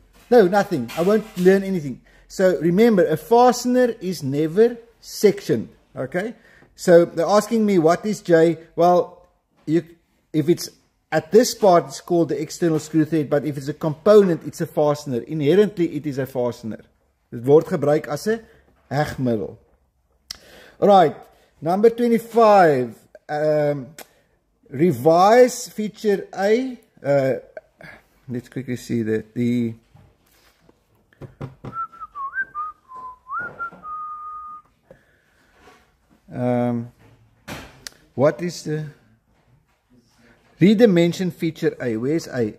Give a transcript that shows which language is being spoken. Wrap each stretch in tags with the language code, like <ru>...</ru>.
<en>No, nothing. I won't learn anything. So remember, a fastener is never sectioned. Okay? So they're asking me, what is J? Well, if it's at this part, it's called the external screw thread, but if it's a component, it's a fastener. Inherently, it is a fastener.</en> <af>Dit word gebruik as 'n hegmiddel.</af> <en>Alright, number 25. Revise feature A, let's quickly see the what is the redimension feature A, where's A?</en>